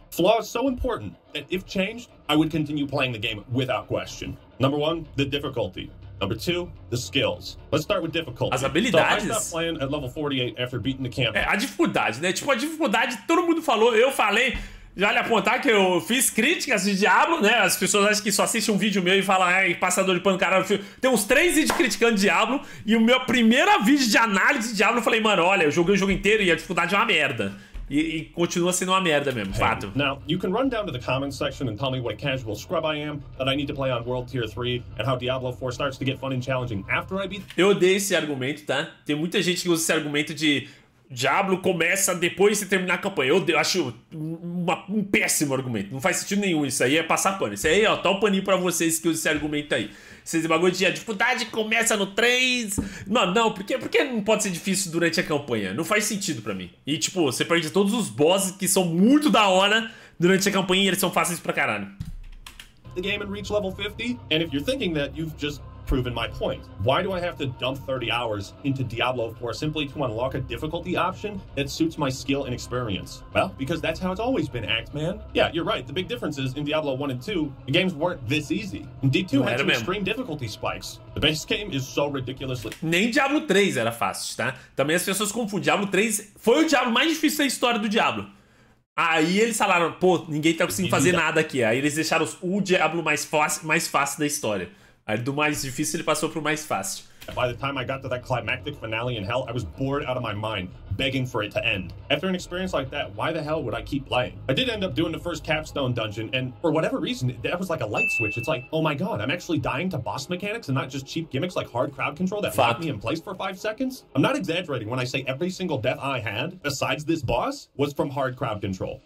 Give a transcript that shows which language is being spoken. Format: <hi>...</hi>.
<en>Flaws so important that if changed, I would continue playing the game without question. Number one, the difficulty. Number two, the skills. Let's start with difficulty.</en> <pt>As habilidades.</pt> <en>So I stopped playing at level 48 after beating the camp.</en> <pt>É, a dificuldade, né? Tipo, a dificuldade, todo mundo falou, eu falei, já lhe apontar que eu fiz críticas de Diablo, né? As pessoas acham que só assistem um vídeo meu e falam, ai, passador de pano, caralho. Tem uns três vídeos criticando Diablo e o meu primeiro vídeo de análise de Diablo, eu falei, mano, olha, eu joguei o jogo inteiro e a dificuldade é uma merda. E continua sendo uma merda mesmo, hey, fato.</pt> <en>Now, you can run down to the comments section and tell me what a casual scrub I am, that I need to play on World Tier 3, and how Diablo 4 starts to get fun and challenging after I beat...</en> <pt>Eu odeio esse argumento, tá? Tem muita gente que usa esse argumento de Diablo começa depois de terminar a campanha. Eu acho um péssimo argumento. Não faz sentido nenhum isso aí. É passar pano. Isso aí, ó, tá um paninho pra vocês que usam esse argumento aí. Vocês bagulho de a dificuldade começa no 3. Não, porque não pode ser difícil durante a campanha? Não faz sentido pra mim. E, tipo, você perde todos os bosses que são muito da hora durante a campanha e eles são fáceis pra caralho.</pt> <en>The game and reach level 50. And if you're thinking that, you've just proven my point. Why do I have to dump 30 hours into Diablo 4 simply to unlock a difficulty option that suits my skill and experience? Well, because that's how it's always been, Axeman. Yeah, you're right. The big difference is in Diablo 1 and 2, the games weren't this easy. In D2 had some extreme difficulty spikes. The base game is so ridiculously...</en> <pt>Nem Diablo 3 era fácil, tá? Também as pessoas confundem. Diablo 3 foi o Diablo mais difícil da história do Diablo. Aí eles falaram, pô, ninguém tá conseguindo fazer nada aqui. Aí eles deixaram o Diablo mais fácil da história. Aí do mais difícil ele passou pro mais fácil.</pt> <en>By the time I got to that climactic finale in hell, I was bored out of my mind, begging for it to end. After an experience like that, why the hell would I keep playing? I did end up doing the first capstone dungeon, and for whatever reason, that was like a light switch. It's like, oh my god, I'm actually dying to boss mechanics and not just cheap gimmicks like hard crowd control that locked me in place for 5 seconds? I'm not exaggerating when I say every single death I had, besides this boss, was from hard crowd control.</en>